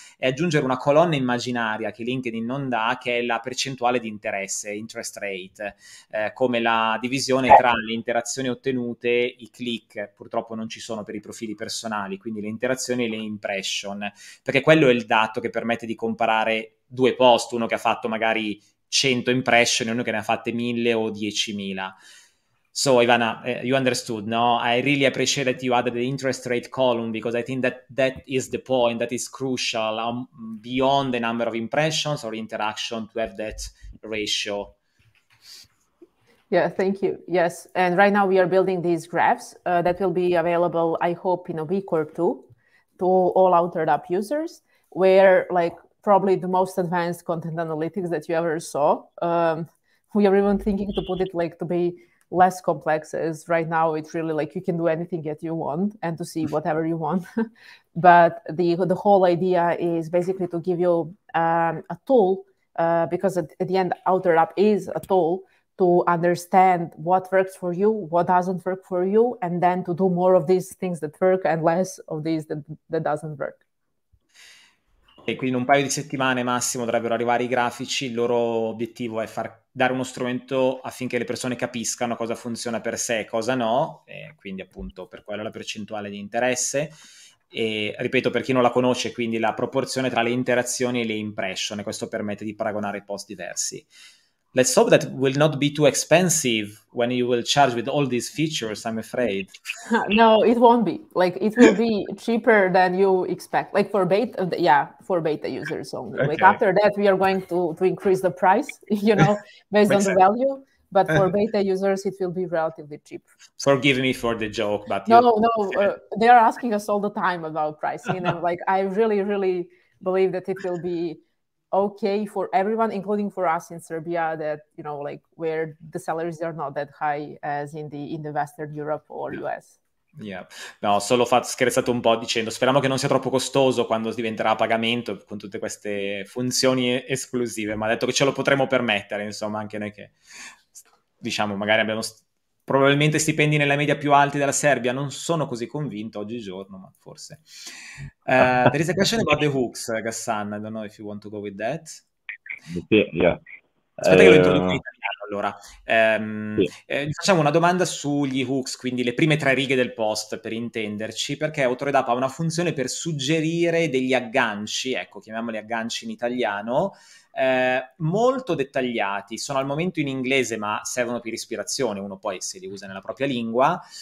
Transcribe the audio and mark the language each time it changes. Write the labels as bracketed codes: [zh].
[it] è aggiungere una colonna immaginaria che LinkedIn non dà, che è la percentuale di interesse, interest rate, come la divisione tra le interazioni ottenute, i click, purtroppo non ci sono per i profili personali, quindi le interazioni e le impression, perché quello è il dato che permette di comparare due post, uno che ha fatto magari 100 impressioni, uno che ne ha fatte 1000 o 10.000. [en] So, Ivana, you understood, no? I really appreciate that you added the interest rate column, because I think that is the point that is crucial beyond the number of impressions or interaction to have that ratio. Yeah, thank you. Yes, and right now we are building these graphs that will be available, I hope, in a week or two to all Authoredup users, where, like, probably the most advanced content analytics that you ever saw. We are even thinking to put it like to be less complex, as right now it's really like you can do anything that you want and to see whatever you want. But the whole idea is basically to give you a tool, because at the end, Authoredup is a tool to understand what works for you, what doesn't work for you, and then to do more of these things that work and less of these that doesn't work. [it] Quindi in un paio di settimane massimo dovrebbero arrivare i grafici. Il loro obiettivo è dare uno strumento affinché le persone capiscano cosa funziona per sé e cosa no, e quindi appunto per quella la percentuale di interesse, e ripeto, per chi non la conosce, quindi la proporzione tra le interazioni e le impression, e questo permette di paragonare post diversi. [en] Let's hope that will not be too expensive when you will charge with all these features, I'm afraid. No, it won't be. Like, it will be cheaper than you expect. Like, for beta users only. Okay. Like, after that, we are going to increase the price, you know, based on the value. But for beta users, it will be relatively cheap. Forgive me for the joke, but... No. They are asking us all the time about pricing. And, like, I really, really believe that it will be okay for everyone, including for us in Serbia, that, you know, like, where the salaries are not that high as in the Western Europe or US. Yeah. [it] No, solo scherzato un po' dicendo speriamo che non sia troppo costoso quando diventerà a pagamento con tutte queste funzioni esclusive, ma ha detto che ce lo potremo permettere, insomma, anche noi che, diciamo, magari abbiamo probabilmente stipendi nella media più alti della Serbia. Non sono così convinto oggigiorno, ma forse. [en] There is a question about the hooks, Gassan. I don't know if you want to go with that. Yeah. [it] Aspetta che lo introduco in italiano. Allora, sì. Facciamo una domanda sugli hooks, quindi le prime tre righe del post, per intenderci, perché Authoredup ha una funzione per suggerire degli agganci, ecco, chiamiamoli agganci in italiano, molto dettagliati, sono al momento in inglese, ma servono per ispirazione, uno poi se li usa nella propria lingua.